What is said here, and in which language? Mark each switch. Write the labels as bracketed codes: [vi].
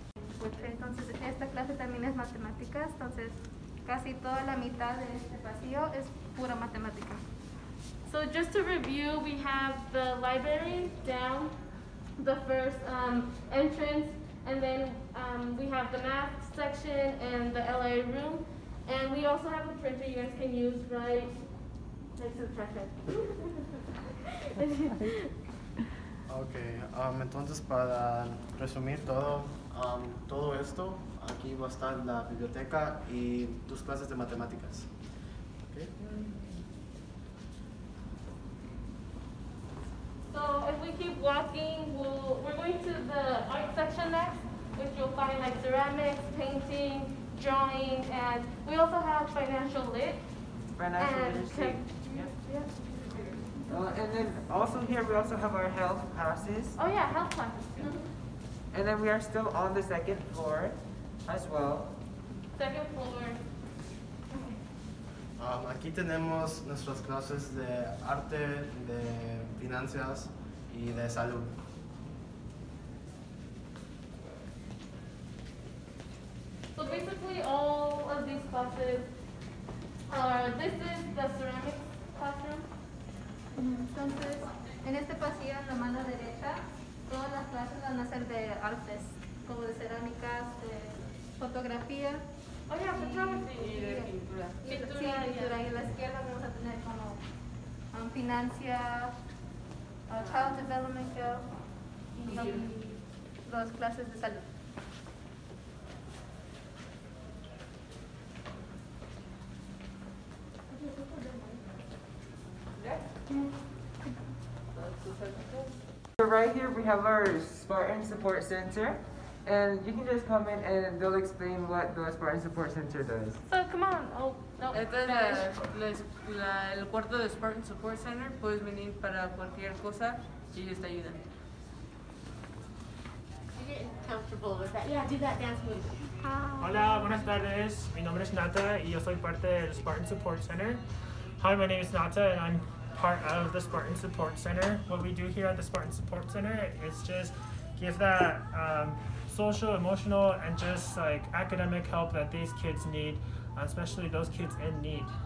[es] escuché. Entonces, esta clase también es matemáticas, entonces casi toda la mitad de este pasillo es pura matemática. [en] So just to review, we have the library down, the first entrance, and then we have the math section and the LA room, and we also have a printer you guys can use right next to the freshman. [es] Okay, entonces para resumir todo, todo esto, aquí va a estar la biblioteca y tus clases de matemáticas. [en] Okay. So if we keep walking, we're going to the art section next, which you'll find like ceramics, painting, drawing, and we also have financial lit. And then also here we also have our health classes. Oh yeah, health classes. Mm-hmm. And then we are still on the second floor as well. Second floor. [es] Aquí tenemos nuestras clases de arte, de finanzas y de salud. [en] So basically all of these classes are, this is the ceramics classroom. [es] Entonces, en este pasillo, en la mano derecha, todas las clases van a ser de artes, como de cerámicas, de fotografía. [en] Oh, yeah, photography. [es] Y de pintura. Sí, pintura. Y en la izquierda vamos a tener como financias, child development care, y las clases de salud. [en] Right here we have our Spartan Support Center, and you can just come in and they'll explain what the Spartan Support Center does. So come on. Oh no. [es] El cuarto de Spartan Support Center, puedes venir para cualquier cosa y ellos te ayudan. [en] You're getting comfortable with that. Yeah, do that dance move. [es] Hola, buenas tardes. Mi nombre es Nata y yo soy parte del Spartan Support Center. [en] Hi, my name is Nata and I'm part of the Spartan Support Center. What we do here at the Spartan Support Center is just give that social, emotional, and just like academic help that these kids need, especially those kids in need.